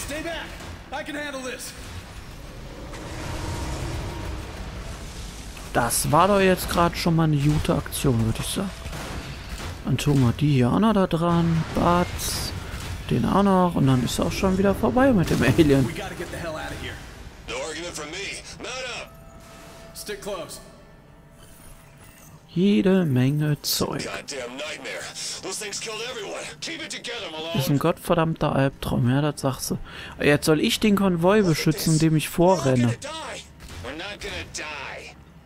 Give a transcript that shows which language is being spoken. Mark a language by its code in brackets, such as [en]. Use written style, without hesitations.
[en] Stay back! I can handle this! [de] Das war doch jetzt gerade schon mal eine gute Aktion, würde ich sagen. Dann tun wir die hier auch noch da dran. Batz. Den auch noch. Und dann ist er auch schon wieder vorbei mit dem Alien. [en] We gotta get the hell out of here. No argument from me. Mount up. Stick close. [de] Jede Menge Zeug. [en] Goddamn nightmare. Those things killed everyone. Keep it together, Malone. [de] Ist ein gottverdammter Albtraum. Ja, das sagst du. Jetzt soll ich den Konvoi beschützen, dem ich vorrenne. [en] We're not gonna die.